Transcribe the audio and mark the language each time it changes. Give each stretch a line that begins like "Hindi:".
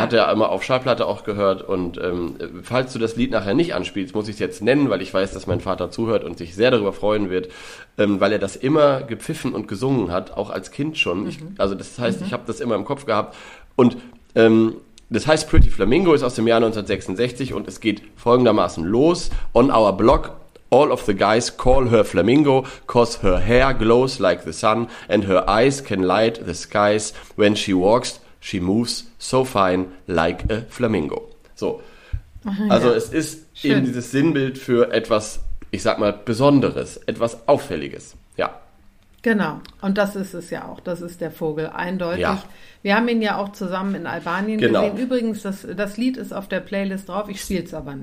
German: hat er immer auf Schallplatte auch gehört. Und falls du das Lied nachher nicht anspielst, muss ich es jetzt nennen, weil ich weiß, dass mein Vater zuhört und sich sehr darüber freuen wird, weil er das immer gepfiffen und gesungen hat, auch als Kind schon. Mhm. Ich habe das immer im Kopf gehabt. Und das heißt, Pretty Flamingo ist aus dem Jahr 1966 und es geht folgendermaßen los.
English: On our block, all of the guys call her Flamingo, 'cause her hair glows like the sun and her eyes can light the skies. When she walks, she moves so fine like a Flamingo.
German: So, also ja. es ist Schön. Eben dieses Sinnbild für etwas, ich sag mal, Besonderes, etwas Auffälliges. Ja. Genau, und das ist es ja auch, das ist der Vogel, eindeutig. Ja. Wir haben ihn ja auch zusammen in Albanien genau. gesehen. Übrigens, das Lied ist auf der Playlist drauf, ich spiele es aber nicht.